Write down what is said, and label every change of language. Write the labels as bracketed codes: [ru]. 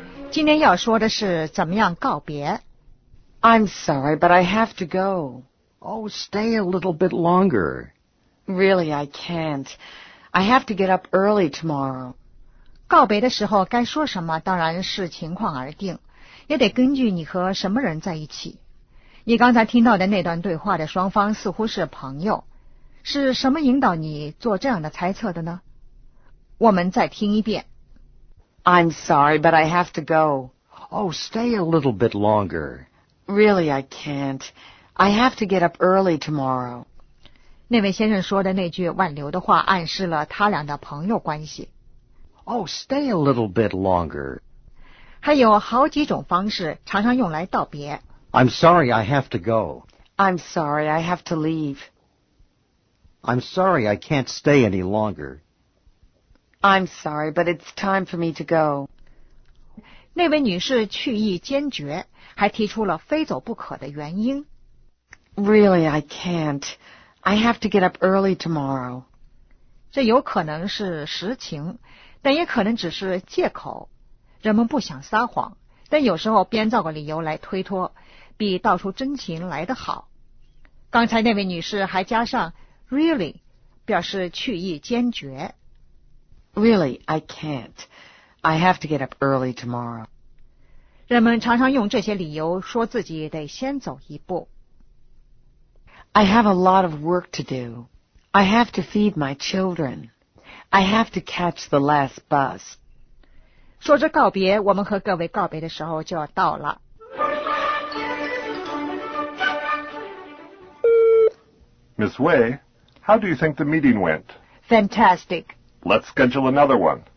[zh] 今天要说的是怎么样告别。 [en] I'm sorry, but I have to go. Oh, stay a little bit longer. Really, I can't. I have to get up early tomorrow. [zh] 告别的时候该说什么当然是情况而定，也得根据你和什么人在一起。你刚才听到的那段对话的双方似乎是朋友。是什么引导你做这样的猜测的呢？我们再听一遍。 [en] I'm sorry, but I have to go. Oh, stay a little bit longer. Really, I can't. I have to get up early tomorrow. [zh] 那位先生说的那句挽留的话暗示了他俩的朋友关系。 [en] Oh, stay a little bit longer. [zh] 还有好几种方式常常用来道别。 [en] I'm sorry, I have to go. I'm sorry, I have to leave. I'm sorry I can't stay any longer. I'm sorry, but it's time for me to go. [zh] 那位女士去意坚决，还提出了非走不可的原因。 [en] Really, I can't. I have to get up early tomorrow. [zh] 这有可能是实情，但也可能只是借口。人们不想撒谎，但有时候编造个理由来推脱，比道出真情来得好。刚才那位女士还加上Really, 表示去意坚决。 [en] Really, I can't. I have to get up early tomorrow. [zh] 人们常常用这些理由说自己得先走一步。 [en] I have a lot of work to do. I have to feed my children. I have to catch the last bus. [zh] 说着告别，我们和各位告别的时候就要到了。 [en] Miss Wei,How do you think the meeting went? Fantastic. Let's schedule another one.